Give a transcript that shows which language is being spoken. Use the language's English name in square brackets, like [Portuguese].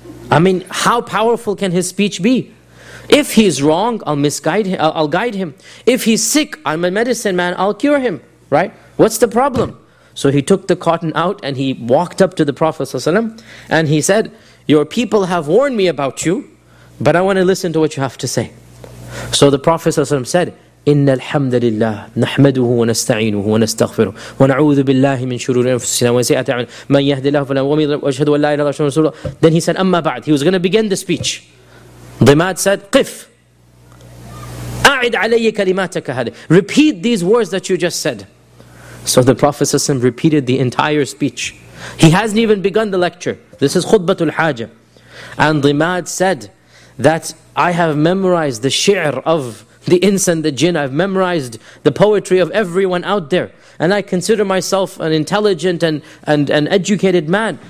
[English] I mean, how powerful can his speech be? If he's wrong, I'll misguide him, I'll guide him. If he's sick, I'm a medicine man, I'll cure him. Right? What's the problem? So he took the cotton out and he walked up to the Prophet ﷺ and he said, your people have warned me about you, but I want to listen to what you have to say. [Arabic] So the Prophet ﷺ said, إن الحمد لله نحمده ونستعينه ونستغفره ونعوذ بالله من شرور أنفسنا وسيئات أعمالنا من يهد الله فلا مضل له وأشهد أن لا إله إلا الله رسول الله. [English] Then he said, [Arabic] أما بعد, [English] he was going to begin the speech. Dhimad said, [Arabic] قف أعد علي كلماتك هذه. [English] Repeat these words that you just said. So the Prophet ﷺ repeated the entire speech. He hasn't even begun the lecture. This is khutbatul haja. And Dhimad said that I have memorized the shi'r of the ins and the jinn. I've memorized the poetry of everyone out there. And I consider myself an intelligent and an educated man.